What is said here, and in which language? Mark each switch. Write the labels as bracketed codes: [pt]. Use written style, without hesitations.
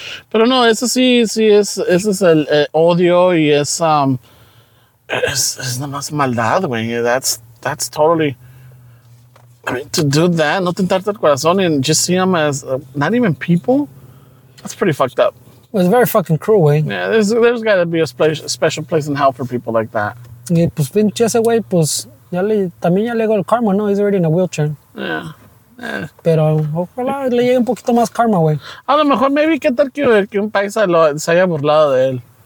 [es] Pero no, eso sí es, eso es el odio y es, Es nada más maldad, güey. [en] That's totally... I mean, to do that, [es] no tentarte el corazón [en] and just see them as not even people? That's pretty fucked up. Well, it's very fucking cruel, güey. Yeah, there's got to be a special place in hell for people like that. [es] Y pues pinche ese güey, pues también ya le llegó el karma, ¿no? [en] He's already in a wheelchair. Yeah. [es] Pero ojalá le llegue un poquito más karma, güey. A lo mejor, maybe, ¿qué tal que un paisa se haya burlado de él?